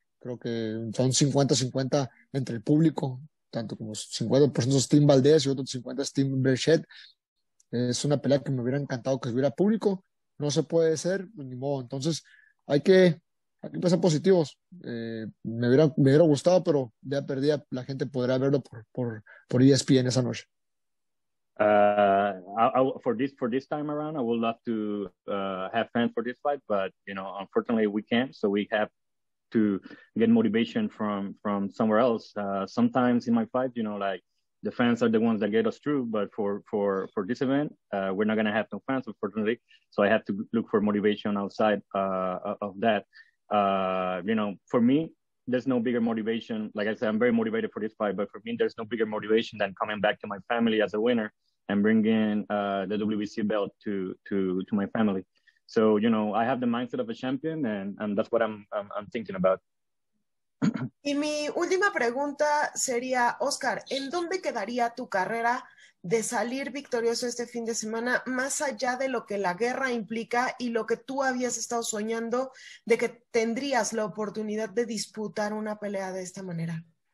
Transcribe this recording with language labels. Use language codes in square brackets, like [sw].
[es] Creo que son 50-50 entre el público, tanto como 50% es Team Valdez y otro 50% es Team Berchelt. Es una pelea que me hubiera encantado que hubiera público. No se puede ser, ni modo. Entonces, hay que pensar positivos. Me hubiera gustado, pero ya perdí. La gente podrá verlo por ESPN esa noche. [en] For this time around, I would love to have fans for this fight, but you know, unfortunately, we can't. So we have to get motivation from somewhere else. Sometimes in my fight, you know, like the fans are the ones that get us through. But for this event, we're not gonna have no fans, unfortunately. So I have to look for motivation outside of that. You know, for me, there's no bigger motivation. Like I said, I'm very motivated for this fight, but for me, there's no bigger motivation than coming back to my family as a winner and bringing the WBC belt to my family. So, you know, I have the mindset of a champion, and that's what I'm thinking about. [es] Y mi última pregunta sería, Oscar, ¿en dónde quedaría tu carrera de salir victorioso este fin de semana, más allá de lo que la guerra implica y lo que tú habías estado soñando de que tendrías la oportunidad de disputar una pelea de esta manera?